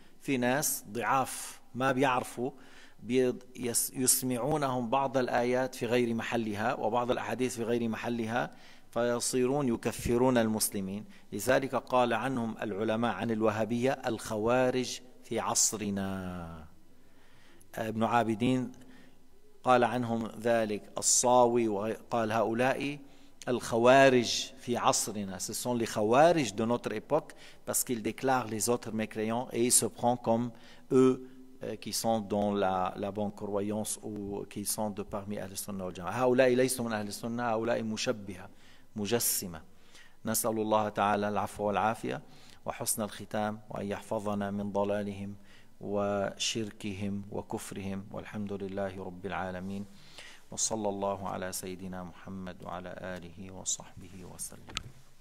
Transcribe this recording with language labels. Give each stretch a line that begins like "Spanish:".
Arabic: في ناس ضعاف ما بيعرفوا يسمعونهم بعض الآيات في غير محلها وبعض الأحاديث في غير محلها فيصيرون يكفرون المسلمين. لذلك قال عنهم العلماء عن الوهابية الخوارج في عصرنا. ابن عابدين قال عنهم ذلك، الصاوي قال هؤلاء الخوارج في عصرنا.
French: Ce sont les خوارج de notre époque parce qu'ils déclarent les autres mécréants et ils se prennent comme eux qui sont dans la bonne croyance ou qui sont de parmi Ahl-Sunnah al-Jama'a.
Arabic: هؤلاء ليسوا من أهل السنة، هؤلاء مشبهة مجسمة. نسأل الله تعالى العفو والعافية وحسن الختام وأن يحفظنا من ضلالهم وشركهم وكفرهم، والحمد لله رب العالمين، وصلى الله على سيدنا محمد وعلى آله وصحبه وسلم.